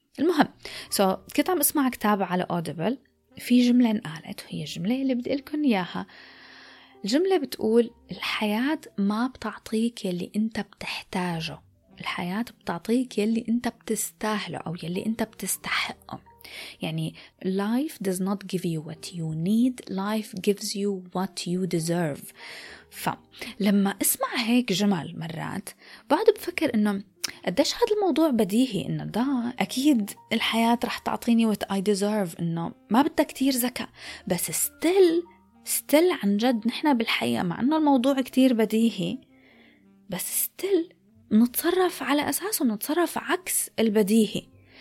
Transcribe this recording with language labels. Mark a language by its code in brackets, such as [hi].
[ar] المهم سو كنت عم اسمع كتاب على اوديبل، في جمله انقالت وهي الجمله اللي بدي لكم اياها. الجمله بتقول الحياه ما بتعطيك يلي انت بتحتاجه، الحياه بتعطيك يلي انت بتستاهله او يلي انت بتستحقه. [en] يعني life does not give you what you need, life gives you what you deserve. [ar] فلما اسمع هيك جمل مرات بعد بفكر انه قديش هذا الموضوع بديهي، انه ده اكيد الحياة رح تعطيني [en] what I deserve، [ar] انه ما بدها كتير ذكاء، بس still عن جد نحنا بالحقيقة مع انه الموضوع كتير بديهي، بس still نتصرف على اساسه، نتصرف عكس البديهي.